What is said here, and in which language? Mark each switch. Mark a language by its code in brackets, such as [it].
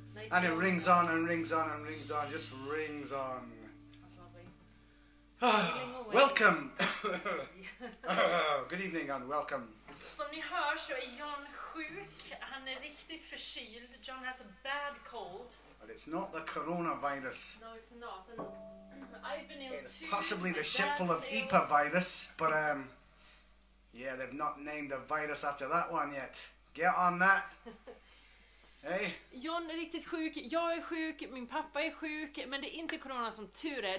[en] And it rings on and rings on and rings on, just rings on. That's lovely. Welcome! Good evening and welcome. [sv] Som ni hör så är John sjuk. Han är riktigt förkyld. [en] John has a bad cold. But it's not the coronavirus. No, it's not. And I've been ill too. It's possibly the shitful of Ipa virus, but yeah, they've not named a virus after that one yet. Get on that. Hey. [sv] John är riktigt sjuk, jag är sjuk, min pappa är sjuk, men det är inte corona som tur är.